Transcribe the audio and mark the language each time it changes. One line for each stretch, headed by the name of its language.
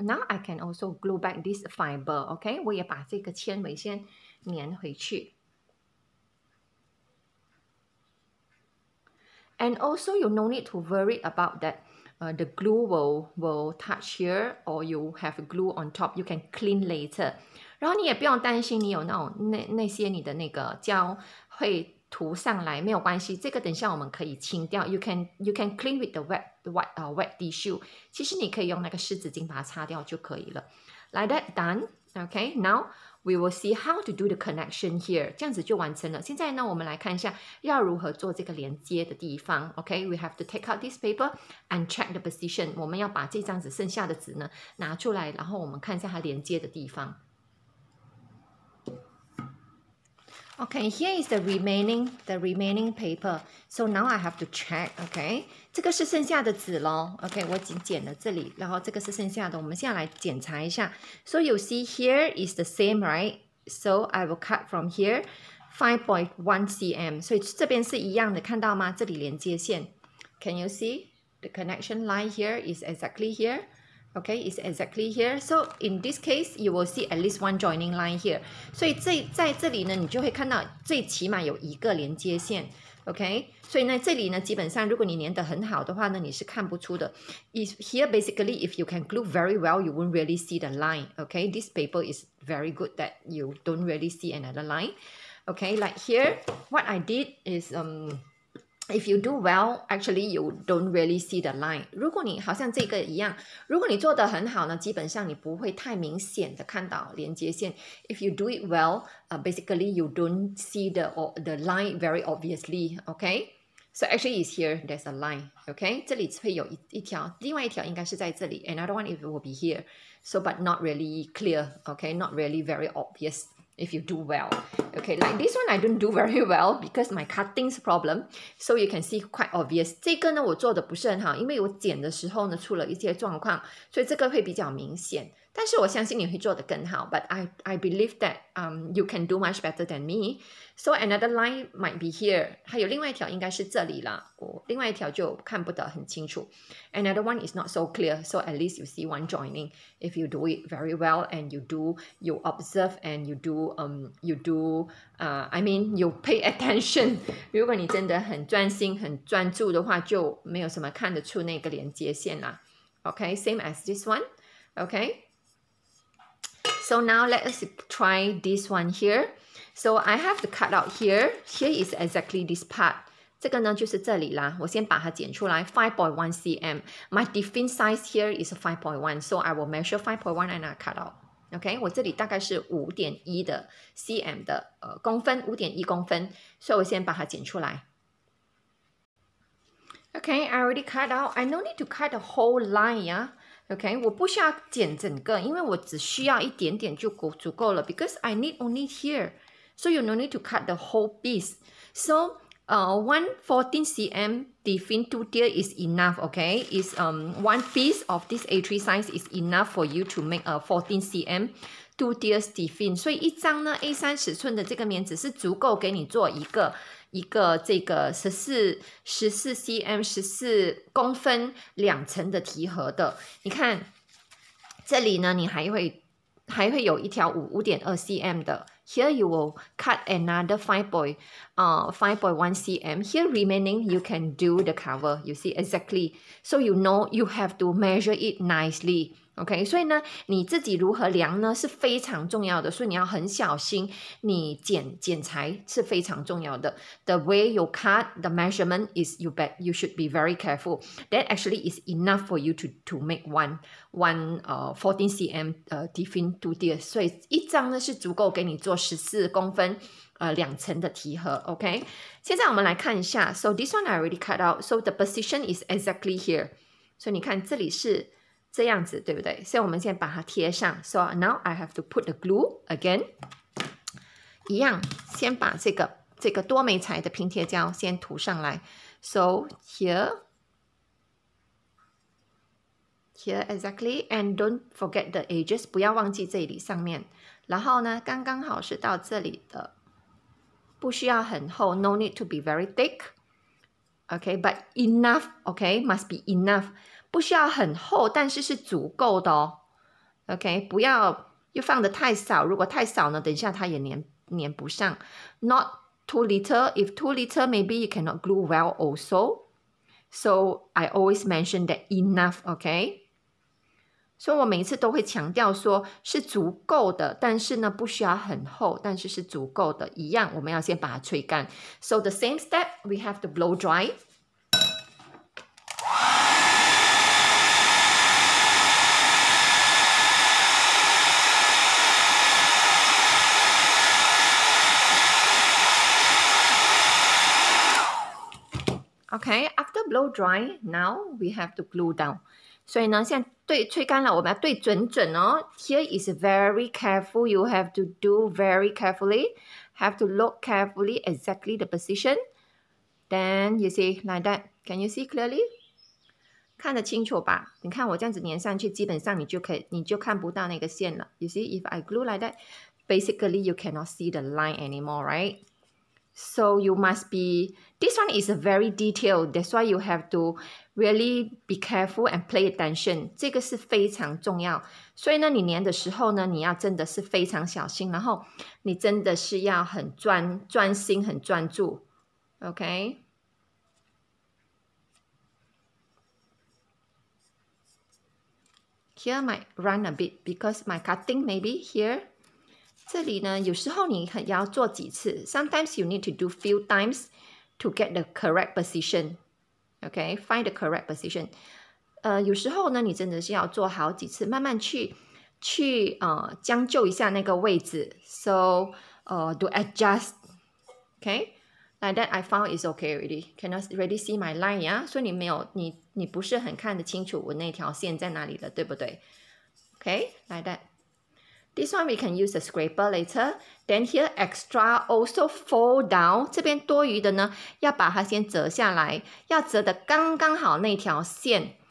English: Now I can also glue back this fiber, okay?
Chinese: 我也把这个纤维先粘回去。
English: And also, you no need to worry about that the glue will touch here or you have glue on top. You can clean later.
Chinese: 然后你也不用担心你有那种 那些你的那个胶会涂上来，没有关系，这个等一下我们可以清掉。
English: You can clean with the wet tissue.
Chinese: 其实你可以用那个湿纸巾把它擦掉就可以了。
English: Like that, done. Okay, now we will see how to do the connection here.
Chinese: 这样子就完成了。现在呢，我们来看一下要如何做这个连接的地方。
English: Okay, we have to take out this paper and check the position.
Chinese: 我们要把这张纸剩下的纸呢拿出来，然后我们看一下它连接的地方。
English: Okay, here is the remaining paper. So now I have to check, okay?
Chinese: 这个是剩下的纸咯。 Okay, 我已经剪了这里，然后这个是剩下的，我们现在来检查一下。
English: So you see here is the same, right? So I will cut from here 5.1 cm.
Chinese: 所以这边是一样的，看到吗？这里连接线。
English: Can you see? The connection line here is exactly here. Okay, it's exactly here. So in this case, you will see at least one joining line here.
Chinese: 所以在这里呢，你就会看到最起码有一个连接线。 Okay, 所以呢，这里呢，基本上如果你粘得很好的话呢，你是看不出的。
English: Is here basically if you can glue very well, you won't really see the line. Okay, this paper is very good that you don't really see another line. Okay, like here, what I did is If you do well, actually you don't really see the line.
Chinese: 如果你好像这个一样，如果你做得很好呢，基本上你不会太明显的看到连接线。
English: If you do it well, basically you don't see the line very obviously, okay? So actually it's here, there's a line, okay?
Chinese: 这里会有一条，另外一条应该是在这里。
English: Another one it will be here. So but not really clear, okay? Not really very obvious. If you do well. Okay, like this one I don't do very well because my cutting's problem. So you can see quite obvious.
Chinese: 这个呢我做的不是很好，因为我剪的时候呢出了一些状况，所以这个会比较明显。但是我相信你会做得更好。
English: But I believe that you can do much better than me. So another line might be here.
Chinese: 还有另外一条应该是这里啦。我另外一条就看不得很清楚。
English: Another one is not so clear. So at least you see one joining. If you do it very well and you observe and you pay attention.
Chinese: 如果你真的很专心很专注的话，就没有什么看得出那个连接线啦。
English: Okay, same as this one. Okay. So now let us try this one here. So I have to cut out here. Here is exactly this part.
Chinese: 这个呢就是这里啦。我先把它剪出来 5.1 cm.
English: My defense size here is 5.1. So I will measure 5.1 and I cut out.
Chinese: Okay, 我这里大概是 5.1 cm 的公分 5.1 公分。所以我先把它剪出来。
English: Okay, I already cut out. I no need to cut the whole line, yeah?
Chinese: Okay, 我不需要剪整个，因为我只需要一点点就足够了。
English: Because I need only here. So you no need to cut the whole piece. So, 1.14 cm defin two tier is enough, okay? Is one piece of this A3 size is enough for you to make a 14 cm two tier defin.
Chinese: 所以一张呢 A3 尺寸的这个棉纸是足够给你做一个这个14 cm 14公分两层的提盒的。你看这里呢，你还会有一条 5.2 cm 的，
English: Here you will cut another 5.1 cm. Here remaining, you can do the cover. You see exactly. So you know you have to measure it nicely.
Chinese: OK, 所以呢你自己如何量呢是非常重要的，所以你要很小心，你剪裁是非常重要的。
English: The way you cut the measurement is you should be very careful. That actually is enough for you to make one 14 cm tiffin to dear.
Chinese: 所以一张呢是足够给你做14公分两层的提盒。 OK, 现在我们来看一下。
English: So this one I already cut out. So the position is exactly here.
Chinese: 所以你看这里是这样子，对不对？所以我们先把它贴上。
English: So now I have to put the glue again.
Chinese: 一样，先把这个多媒材的拼贴胶先涂上来。
English: So here exactly, and don't forget the edges,
Chinese: 不要忘记这里上面。然后呢，刚刚好是到这里的，不需要很厚，
English: no need to be very thick. Okay, but enough, okay, must be enough.
Chinese: 不需要很厚，但是是足够的哦。OK, 不要又放得太少，如果太少呢，等一下它也粘不上。
English: Not too little, if too little, maybe you cannot glue well also. So I always mention that enough, OK?
Chinese: 所以我每次都会强调说是足够的，但是呢不需要很厚，但是是足够的。一样，我们要先把它吹干。
English: So the same step, we have to blow dry. Okay, after blow dry, now we have to glue down.
Chinese: 所以呢，现在对吹干了，我们要对准准哦。
English: Here is very careful. You have to do very carefully. Have to look carefully exactly the position. Then you see like that. Can you see clearly?
Chinese: 看得清楚吧？你看我这样子粘上去，基本上你就看不到那个线了。
English: You see, if I glue like that, basically you cannot see the line anymore, right? So you must be, this one is a very detailed, that's why you have to really be careful and pay attention.
Chinese: 这个是非常重要。所以呢你粘的时候呢你要真的是非常小心，然后你真的是要很专心很专注。
English: OK? Here might run a bit because my cutting maybe here.
Chinese: 这里呢有时候你要做几次，
English: Sometimes you need to do few times to get the correct position. Okay, find the correct position.
Chinese: 有时候呢你真的是要做好几次，慢慢去将就一下那个位置。
English: So, to adjust. Okay, like that I found is okay already. Can already see my line, yeah?
Chinese: 所以你没有你不是很看得清楚我那条线在哪里了，对不对？
English: Okay, like thatThis one we can use a scraper later. Then here extra also fold down.
Chinese: 这边多余的呢要把它先折下来，要折得刚刚好那条线。